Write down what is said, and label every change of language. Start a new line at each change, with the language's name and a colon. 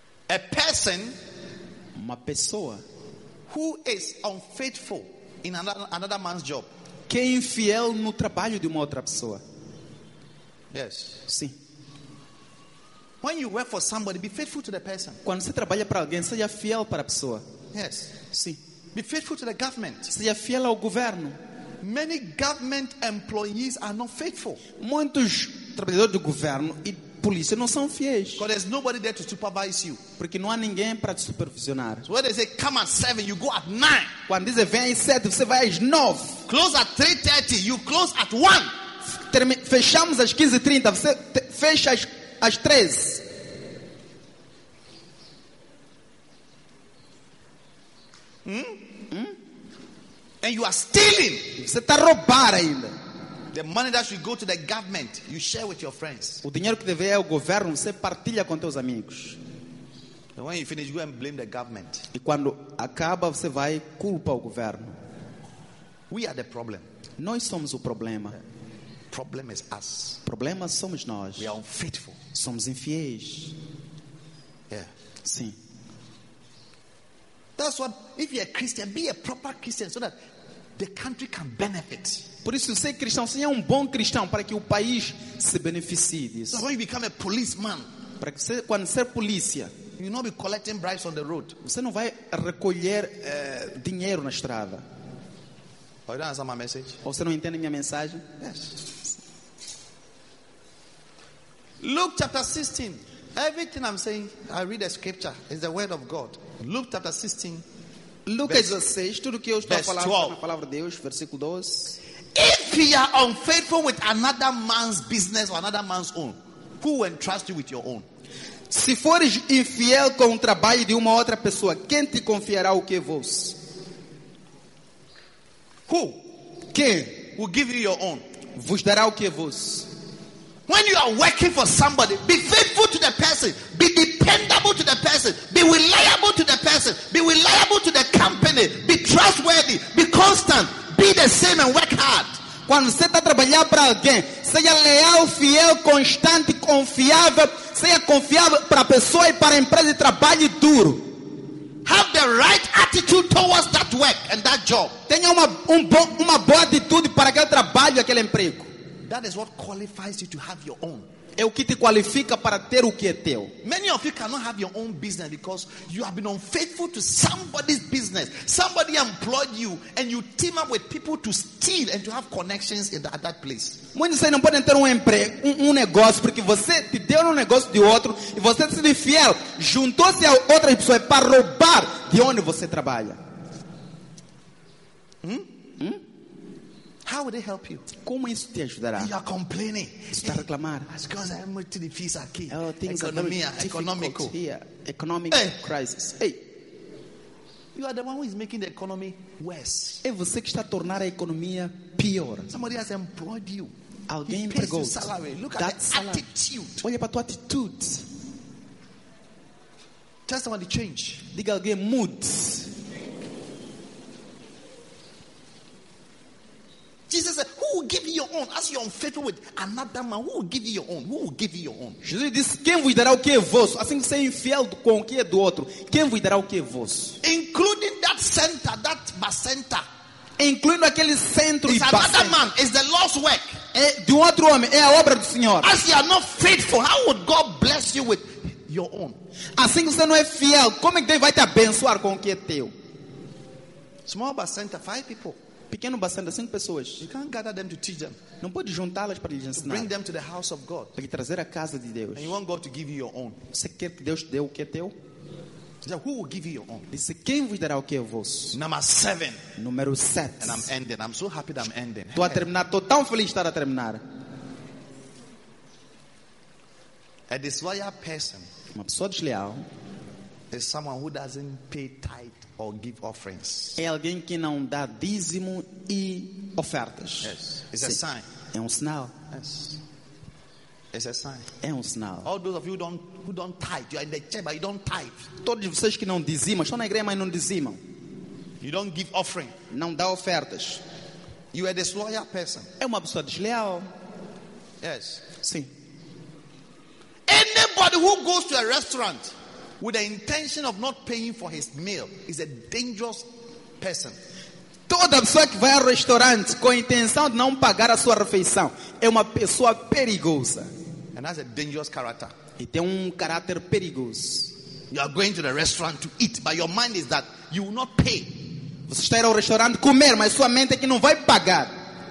English: A person,
Portuguese: uma pessoa,
English: who is unfaithful in another man's job,
Portuguese: que é infiel no trabalho de uma outra pessoa.
English: Yes.
Portuguese: Sim.
English: When you work for somebody, be faithful to the person.
Portuguese: Quando você trabalha para alguém, seja fiel para a pessoa.
English: Yes.
Portuguese: Sim.
English: Be faithful to the government.
Portuguese: Seja fiel ao governo.
English: Many government employees are not faithful.
Portuguese: Muitos trabalhadores do governo e polícia não são fiéis.
English: Because there's nobody there to supervise you.
Portuguese: Porque não há ninguém para te supervisionar.
English: So when they say come at 7, you go at 9.
Portuguese: Quando dizem vem às 7, você vai às 9.
English: Close at 3:30, you close at 1.
Portuguese: Fechamos às 15:30, você fecha às as três.
English: And you are stealing.
Portuguese: Você está roubando ainda.
English: The money that should go to the government, you share with your friends.
Portuguese: O dinheiro que deveria ir ao governo, você partilha com teus amigos.
English: And when you finish, you go and blame the government.
Portuguese: E quando acaba, você vai culpa o governo.
English: We are the problem.
Portuguese: Nós somos o problema.
English: problem is us.
Portuguese: Problema somos nós.
English: We are unfaithful.
Portuguese: Somos infiéis.
English: Yeah.
Portuguese: Sim.
English: That's what, if you're a Christian, be a proper Christian so that the country can benefit.
Portuguese: Por isso, ser cristão, seja um bom cristão para que o país se beneficie disso.
English: So when you become a policeman,
Portuguese: para que você, quando ser polícia,
English: you not be collecting bribes on the road.
Portuguese: Você não vai recolher dinheiro na estrada.
English: Oh, you don't understand my message?
Portuguese: Ou você não entende minha mensagem?
English: Yes. Luke chapter 16. Everything I'm saying, I read a scripture. It's the word of God. Luke chapter 16.
Portuguese: Lucas 16, tudo que eu estou verse falando 12. Na palavra de Deus, versículo 12.
English: If you are unfaithful with another man's business or another man's own, who will entrust you with your own?
Portuguese: Se fores infiel com o trabalho de uma outra pessoa, quem te confiará o que é vos?
English: Who?
Portuguese: Quem?
English: Will give you your own?
Portuguese: Vos dará o que é vos?
English: When you are working for somebody, be faithful to the person, be dependable to the person, be reliable to the person, be reliable to the company, be trustworthy, be constant. Be the same and work hard.
Portuguese: Quando você está a trabalhar para alguém, seja leal, fiel, constante, confiável, seja confiável para a pessoa e para a empresa e trabalhe duro.
English: Have the right attitude towards that work and that job.
Portuguese: Tenha uma boa atitude para aquele trabalho, aquele emprego.
English: That is what qualifies you to have your own.
Portuguese: É o que te qualifica para ter o que é teu.
English: Many of you cannot have your own business because you have been unfaithful to somebody's business. Somebody employed you and you team up with people to steal and to have connections in that place.
Portuguese: Muitos não podem ter um emprego, um negócio, porque você te deu um negócio de outro e você se infiel, juntou-se a outra pessoa para roubar de onde você trabalha.
English: How would it help you?
Portuguese: Como isso te ajudará?
English: You are complaining.
Portuguese: Está a reclamar. As coisas é muito difícil aqui.
English: Oh, things economia, are economic here. Economic hey. Crisis. Hey. You are the one who is making the economy worse.
Portuguese: É você que está a tornar a economia pior.
English: Somebody has employed you.
Portuguese: Alguém empregou.
English: Look at the attitude.
Portuguese: Olha para a tua atitude.
English: Tell someone to change.
Portuguese: Diga alguém moods.
English: Jesus said, who will give you your own? As you are unfaithful with another man, who will give you your own? Who will give you your own?
Portuguese: Jesus disse, quem vos dará o que é vosso? Assim que você é infiel com o que é do outro, quem vos dará o que é vosso?
English: Including that center, that bar center.
Portuguese: Incluindo aquele centro
English: it's
Portuguese: e bar
English: another man, it's the Lord's work.
Portuguese: É de outro homem, é a obra do Senhor.
English: As you are not faithful, how would God bless you with your own?
Portuguese: Assim que você não é fiel, como é que Deus vai te abençoar com o que é teu?
English: Small bar center, 5 people.
Portuguese: Pequeno bastante, 5 pessoas.
English: You can't gather them to teach them.
Portuguese: Não pode juntá-las para lhes ensinar.
English: Bring them to the house of God.
Portuguese: Para lhe trazer à casa de Deus.
English: And you want God to give you your own.
Portuguese: Você quer que Deus dê o que é teu?
English: So who will give you your own?
Portuguese: Disse, quem vos dará o que é vosso?
English: Number 7.
Portuguese: Número 7.
English: And I'm ending. I'm so happy that I'm ending.
Portuguese: Estou a terminar. Estou tão feliz de estar a terminar.
English: A disloyal person.
Portuguese: Uma pessoa desleal.
English: Is someone who doesn't pay tithe. Or give offerings.
Portuguese: É alguém que não dá dízimo e ofertas.
English: Yes. It's a sign.
Portuguese: É um sinal.
English: Yes. It's a sign.
Portuguese: É um sinal.
English: All those of you who don't tithe, you are in the church but you don't tithe.
Portuguese: Todos vocês que não dizimam, estão na igreja mas não dizimam.
English: You don't give offering.
Portuguese: Não dá ofertas.
English: You are a disloyal person.
Portuguese: É uma pessoa desleal.
English: Yes.
Portuguese: Sim.
English: Anybody who goes to a restaurant with the intention of not paying for his meal is a dangerous person.
Portuguese: Toda pessoa que vai ao restaurante com a intenção de não pagar a sua refeição é uma pessoa perigosa.
English: And has a dangerous character.
Portuguese: E tem caráter perigoso.
English: You are going to the restaurant to eat, but your mind is that you will not pay.
Portuguese: Você está ao restaurante comer, mas sua mente é que não vai pagar.